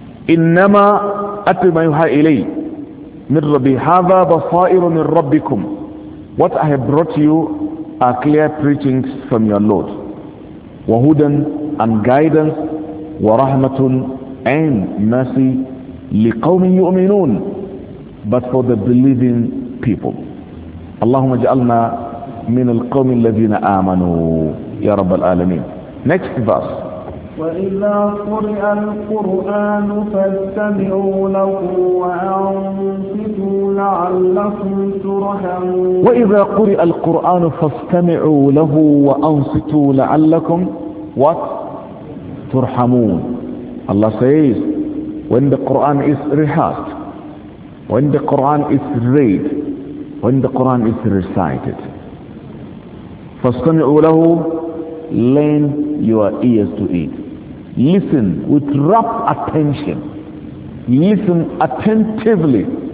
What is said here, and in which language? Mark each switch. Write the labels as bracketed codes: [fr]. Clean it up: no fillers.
[ar] إِنَّمَا أَتْلُ مَا يُوحَى إِلَيَّ مِنْ رَبِّي هَذَا بَصَائِرُ مِنْ رَبِّكُمْ. [en] What I have brought you are clear preachings from your Lord. وَهُدًى and guidance, وَرَحْمَةٌ and mercy, [ar] لِقَوْمٍ يُؤْمِنُونَ, [en] but for the believing people. [ar] اللهم اجعلنا من القوم الذين آمنوا يا رب العالمين. [en] Next verse. [ar] وَإِذَا قُرِئَ الْقُرْآنُ فَاسْتَمِعُوا لَهُ وَأَنصِتُوا لَعَلَّكُمْ تُرْحَمُونَ. وَإِذَا قُرِئَ الْقُرْآنُ فَاسْتَمِعُوا لَهُ وَأَنصِتُوا لَعَلَّكُمْ [en] what? [ar] تُرْحَمُونَ. [en] Allah says, when the Quran is rehearsed, when the Quran is read, when the Quran is recited, [ar] فَاسْتَمِعُوا لَهُ, [en] lend your ears to it. Listen with rapt attention. Listen attentively.